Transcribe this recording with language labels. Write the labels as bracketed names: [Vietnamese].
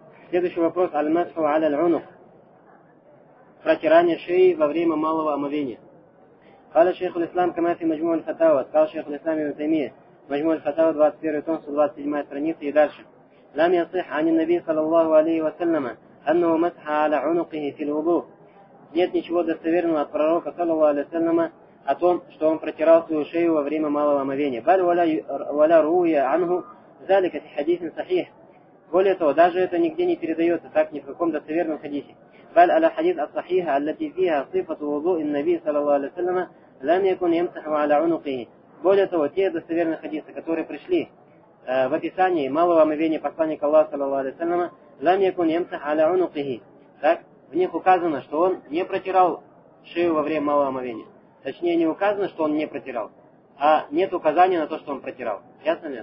[Russian] Следующий вопрос. [Arabic] Аль-масху аля-л-унух. [Russian] Протирание шеи во время малого омовения. [Arabic] قال شيخ الإسلام كما في مجموع الفتاوى قال شيخ الإسلام ابن تيمية مجموع الفتاوى [Russian] 21 том 127 страница и дальше [Arabic] لم يصح عن النبي صلى الله عليه وسلم أنه مسح على عنقه في الوضوء. [Russian] Нет ничего достоверного от пророка صلى الله عليه وسلم о том, что он протирал свою шею во время малого омовения. [Arabic] بل ولا روي عنه ذلك في حديث صحيح. [Russian] Более того, даже это нигде не передается, так, ни в каком достоверном хадисе. [Arabic] بل على حديث الصحيح التي فيها صفة وضوء النبي صلى الله عليه وسلم لم يكن يمسح على عنقه. [Russian] Более того, те достоверные хадисы, которые пришли в описании малого омовения посланника Аллаха صلى الله عليه وسلم [Arabic] لم يكن يمسح على عنقه. [Russian] Так, в них указано, что он не протирал шею во время малого омовения. Точнее, не указано, что он не протирал, а нет указания на то, что он протирал. Ясно ли?